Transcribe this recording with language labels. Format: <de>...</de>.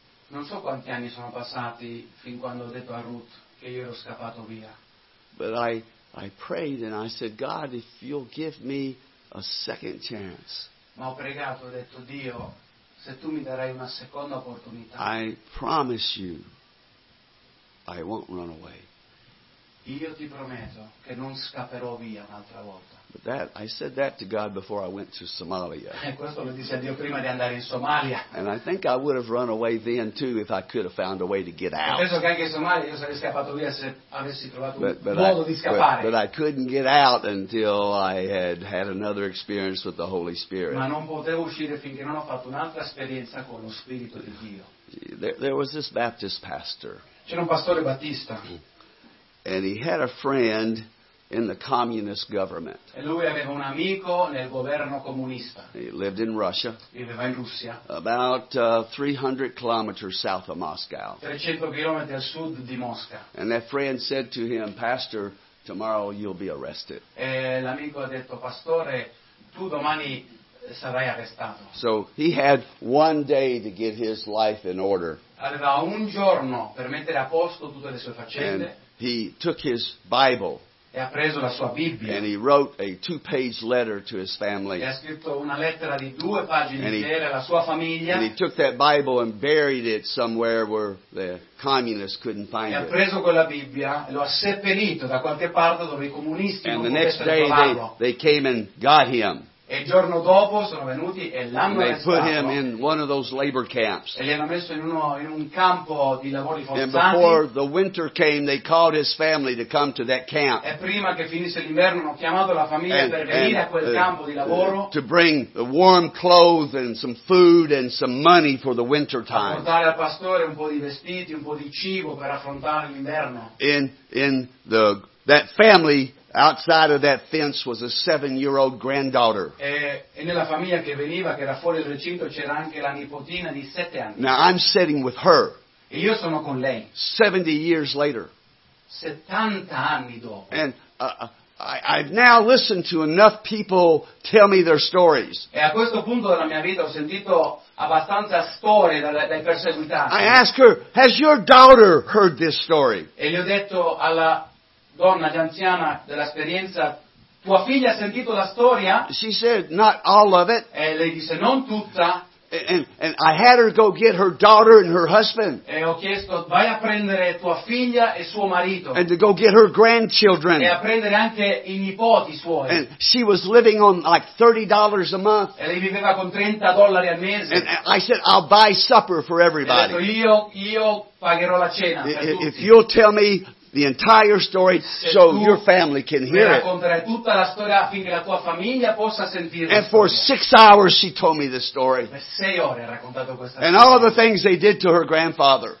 <it>Non so quanti anni sono passati fin quando ho detto a Ruth che io ero scappato via.</it> <en>But I prayed and I said, God, if you'll give me a second chance.</en> <it>Ma ho pregato, ho detto, Dio, se tu mi darai una seconda opportunità.</it> <en>I promise you, I won't run away.</en> <it>Io ti prometto che non scapperò via un'altra volta.</it> <en>But that, I said that to God before I went to Somalia.</en> <it>E questo lo disse a Dio prima di andare in Somalia.</it> <en>And I think I would have run away then too if I could have found a way to get out.</en> <it>Penso che anche in Somalia io sarei scappato via se avessi trovato un modo di scappare.</it> <en>But I couldn't get out until I had another experience with the Holy Spirit.</en> <it>Ma non potevo uscire finché non ho fatto un'altra esperienza con lo Spirito di Dio.</it> <en>There was this Baptist pastor.</en> <it>C'era un pastore battista.</it> <en>And he had a friend in the communist government.</en> <it>E lui aveva un amico nel governo comunista.</it> <en>He lived in Russia.</en> <it>Viveva in Russia.</it> <en>About 300 kilometers south of Moscow.</en> <it>300 chilometri a sud di Mosca.</it> <en>And that friend said to him, Pastor, tomorrow you'll be arrested.</en> <it>E l'amico ha detto, Pastore, tu domani sarai arrestato.</it> <en>So he had one day to get his life in order.</en> <it>Aveva un giorno per mettere a posto tutte le sue faccende.</it> <en>And he took his Bible.</en> <it>E ha preso la sua Bibbia.</it> <en>And he wrote a two-page letter to his family.</en> <it>E ha scritto una lettera di due pagine intere alla sua famiglia.</it> <en>And he took that Bible and buried it somewhere where the communists couldn't find it.</en> <it>E ha preso quella Bibbia e lo ha seppellito da qualche parte dove i comunisti non potessero trovarlo.</it> <en>And the next day they came and got him.</en> <it>E il giorno dopo sono venuti e l'hanno arrestato.</it> <en>They put him in one of those labor camps.</en> <it>E li hanno messo in un campo di lavori forzati.</it> <en>And before the winter came, they called his family to come to that camp.</en> <it>E prima che finisse l'inverno hanno chiamato la famiglia per venire a quel campo di lavoro.</it> <en>To bring the warm clothes and some food and some money for the winter time.</en> <it>A portare al pastore un po' di vestiti, un po' di cibo per affrontare l'inverno.</it> <en>That family, outside of that fence, was a 7-year-old granddaughter.</en> <it>E nella famiglia che veniva, che era fuori il recinto, c'era anche la nipotina di 7 anni.</it> <en>Now I'm sitting with her.</en> <it>E io sono con lei.</it> <en>70 years later.</en> <it>70 anni dopo.</it> <en>And I've now listened to enough people tell me their stories.</en> <it>E a questo punto della mia vita ho sentito abbastanza storie dai perseguitati.</it> <en>I ask her, has your daughter heard this story?</en> <it>E gli ho detto alla donna già anziana dell'esperienza, Tua figlia ha sentito la storia?</it> <en>She said, not all of it.</en> <it>E lei disse, non tutta.</it> <en>And I had her go get her daughter and her husband.</en> <it>E ho chiesto, vai a prendere tua figlia e suo marito.</it> <en>And to go get her grandchildren.</en> <it>E a prendere anche i nipoti suoi.</it> <en>And she was living on like $30 a month.</en> <it>E lei viveva con $30 al mese.</it> <en>And I said, I'll buy supper for everybody.</en> <it>E ho detto, io pagherò la cena per tutti.</it> <en>If you'll tell me the entire story, so your family can hear it.</en> <it>Tutta la storia affinché la tua famiglia possa sentire.</it> <en>And for 6 hours, she told me the story.</en> <it>Per 6 ore ha raccontato questa storia.</it> <en>And all the things they did to her grandfather.</en>